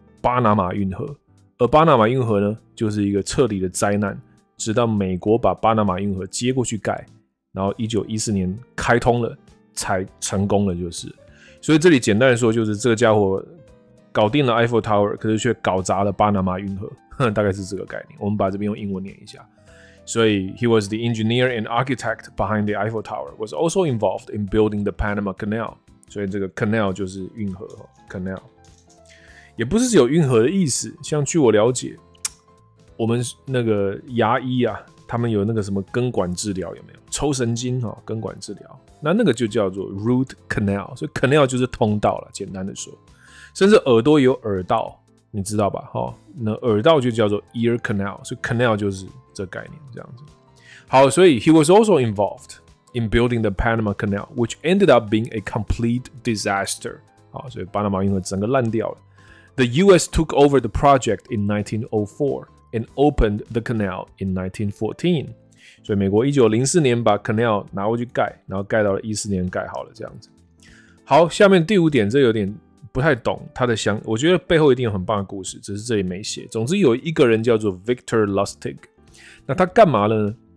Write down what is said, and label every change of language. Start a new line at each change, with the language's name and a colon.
Chinese: 巴拿马运河，而巴拿马运河呢，就是一个彻底的灾难，直到美国把巴拿马运河接过去盖，然后1914年开通了，才成功了，就是。所以这里简单的说，就是这个家伙搞定了 Eiffel Tower， 可是却搞砸了巴拿马运河，大概是这个概念。我们把这边用英文念一下。
English: 所以 ，He was the engineer and architect behind the Eiffel Tower. Was also involved in building the Panama Canal.
Chinese: 所以这个 canal 就是运河 ，canal 也不是只有运河的意思。像据我了解，我们那个牙医啊，他们有那个什么根管治疗有没有？抽神经哈，根管治疗，那个就叫做 root canal。所以 canal 就是通道了，简单的说，甚至耳朵也有耳道，你知道吧？哈，那耳道就叫做 ear canal。所以 canal 就是。这概念这样子，好，所以
English: he was also involved in building the Panama Canal, which ended up being a complete disaster.
Chinese: 好，所以巴拿马运河整个烂掉了。
English: The U.S. took over the project in 1904 and opened the canal in 1914.
Chinese: 所以美国1904年把 canal 拿过去盖，然后盖到了14年盖好了这样子。好，下面第五点，这有点不太懂他的想，我觉得背后一定有很棒的故事，只是这里没写。总之有一个人叫做 Victor Lustig。那他干嘛了呢？